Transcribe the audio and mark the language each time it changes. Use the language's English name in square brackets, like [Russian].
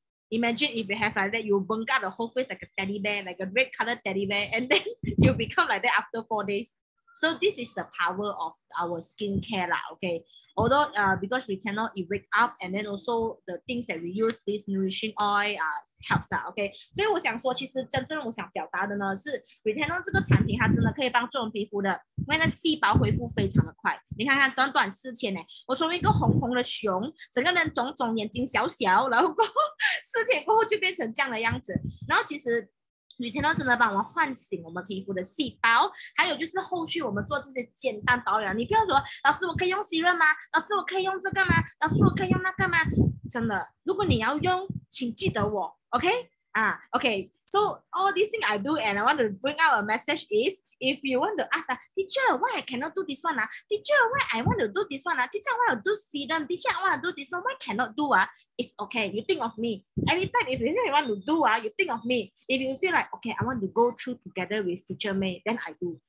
[English] Imagine if you have like that, you bunk out the whole face like a teddy bear, like a red colored teddy bear, and then you become like that after 4 days. So this is the power of our skincare, lah, okay? Although, because retinol, it wake up, and then also the things that we use, this nourishing oil, helps, lah, okay? [Chinese] 所以我想说，其实真正我想表达的呢，是 retinol 这个产品，它真的可以帮助我们皮肤的，因为那细胞恢复非常的快。你看看，短短4天呢，我从一个红红的熊，整个人肿肿，眼睛小小，然后过后4天过后就变成这样的样子。然后其实retinol 真的帮我们唤醒我们皮肤的细胞，还有就是后续我们做这些简单保养，你不要说老师我可以用 serum 吗？老师我可以用这个吗？老师我可以用那个吗？真的，如果你要用，请记得我 ，OK？ OK。 [English] So all these things I do, and I want to bring out a message is if you want to ask, teacher, why I cannot do this one? Teacher, why I want to do this one? Teacher, why I want to do serum? Teacher, I want to do this one. Why cannot do? It's okay. You think of me. Every time if you really want to do, you think of me. If you feel like, okay, I want to go through together with teacher May, then I do.